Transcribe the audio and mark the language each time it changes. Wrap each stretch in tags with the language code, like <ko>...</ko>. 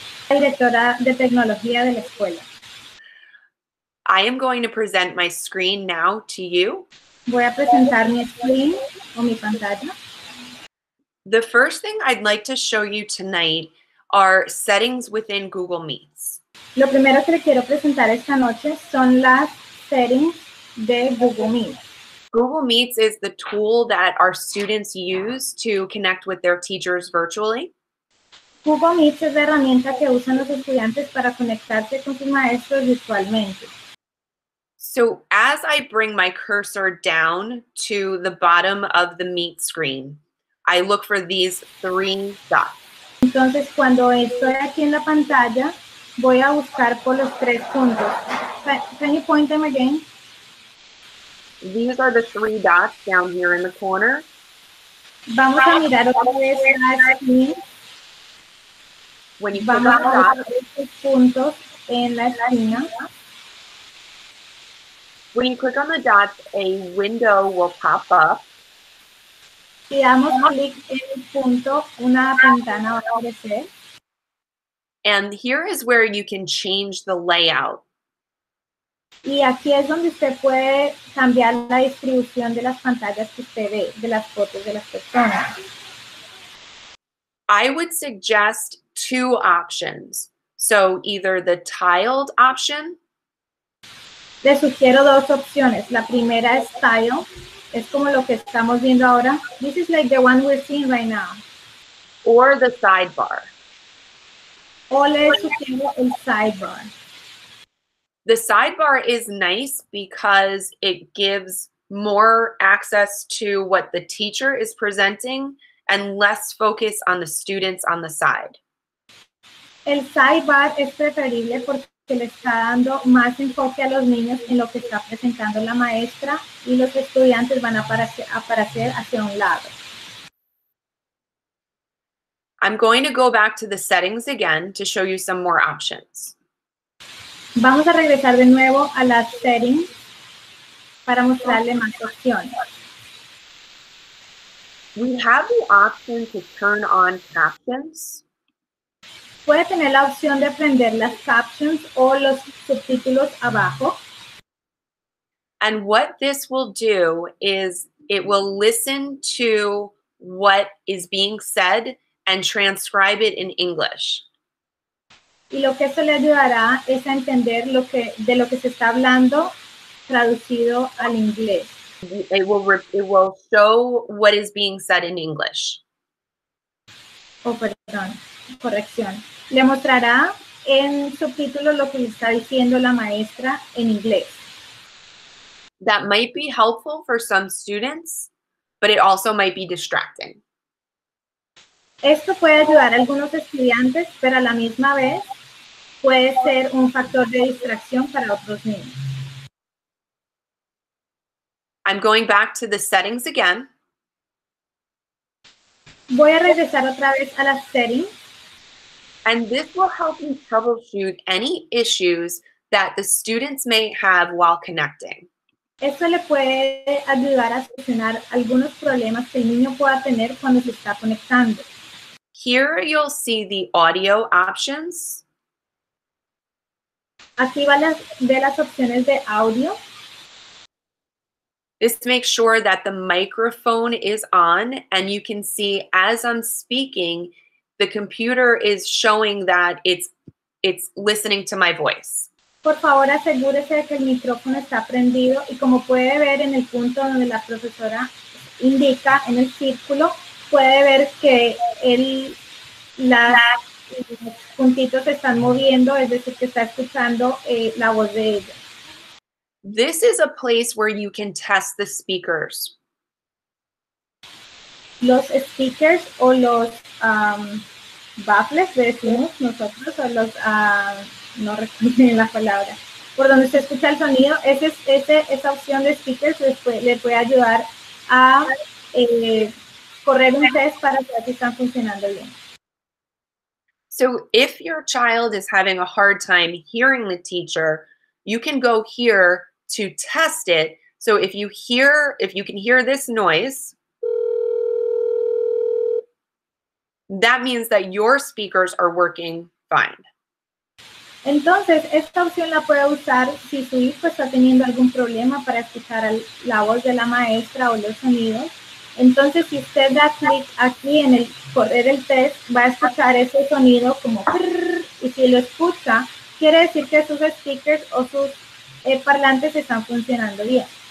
<es>Directora de Tecnología de la Escuela.</es> <en>I am going to present my screen now to you.</en> <es>Voy a presentar mi screen o mi pantalla.</es> <en>The first thing I'd like to show you tonight are settings within Google Meets.</en> <es>Lo primero que le quiero presentar esta noche son las settings de Google Meets.</es> <en>Google Meets is the tool that our students use to connect with their teachers virtually.</en> <es>Google Meet es la herramienta que usan los estudiantes para conectarse con sus maestros virtualmente.</es> <en>So, as I bring my cursor down to the bottom of the Meet screen, I look for these three dots.</en> <es>Entonces, cuando estoy aquí en la pantalla, voy a buscar por los tres puntos.</es> <en>Can you point them again? These are the three dots down here in the corner.</en> <es>Vamos a mirar otra vez aquí.</es> <en>When you</en> <es>vamos a ver estos puntos en la esquina.</es> <en>When you click on the dots, a window will pop up.</en> <es>Si damos clic en el punto, una ventana va a aparecer.</es> <en>And here is where you can change the layout.</en> <es>Y aquí es donde usted puede cambiar la distribución de las pantallas que usted ve, de las fotos de las personas.</es> <en>I would suggest two options. So either the tiled option.</en> <es>Le sugiero dos opciones. La primera es tile. Es como lo que estamos viendo ahora.</es> <en>This is like the one we're seeing right now. Or the sidebar.</en> <es>O le sugiero el sidebar.</es> <en>The sidebar is nice because it gives more access to what the teacher is presenting and less focus on the students on the side.</en> <es>El sidebar es preferible porque le está dando más enfoque a los niños en lo que está presentando la maestra y los estudiantes van a aparecer hacia un lado.</es> <en>I'm going to go back to the settings again to show you some more options.</en> <es>Vamos a regresar de nuevo a las settings para mostrarle más opciones.</es> <en>We have the option to turn on captions.</en> <es>Puede tener la opción de prender las captions o los subtítulos abajo.</es> <en>And what this will do is it will listen to what is being said and transcribe it in English.</en> <es>Y lo que esto le ayudará es a entender lo que de lo que se está hablando traducido al inglés.</es> <en>It will show what is being said in English.</en> <es>Oh, perdón, corrección. Le mostrará en subtítulo lo que está diciendo la maestra en inglés.</es> <en>That might be helpful for some students, but it also might be distracting.</en> <es>Esto puede ayudar a algunos estudiantes, pero a la misma vez puede ser un factor de distracción para otros niños.</es> <en>I'm going back to the settings again.</en> <es>Voy a regresar otra vez a las settings.</es> <en>And this will help you troubleshoot any issues that the students may have while connecting.</en> <es>Esto le puede ayudar a solucionar algunos problemas que el niño pueda tener cuando se está conectando.</es> <en>Here you'll see the audio options.</en> <es>Aquí van las de las opciones de audio.</es> <en>This makes sure that the microphone is on and you can see as I'm speaking, the computer is showing that it's listening to my voice.</en> <es>Por favor, asegúrese de que el micrófono está prendido y como puede ver en el punto donde la profesora indica en el círculo, puede ver que los puntitos se están moviendo, es decir, que está escuchando la voz de ella.</es> <en>This is a place where you can test the speakers.</en> <es>Los speakers o los baffles, decimos nosotros, o los no recuerdo la palabra, por donde se escucha el sonido, esa opción de speakers les puede ayudar a correr un test para ver si están funcionando bien.</es> <en>So if your child is having a hard time hearing the teacher, you can go here to test it. So if you can hear this noise, that means that your speakers are working fine.</en> <es>Entonces, esta opción la puede usar si su hijo está teniendo algún problema para escuchar la voz de la maestra o los sonidos. Entonces, si usted da clic aquí en el correr el test, va a escuchar ese sonido como prrr, y si lo escucha, quiere decir que sus speakers o sus parlantes están funcionando bien.</es>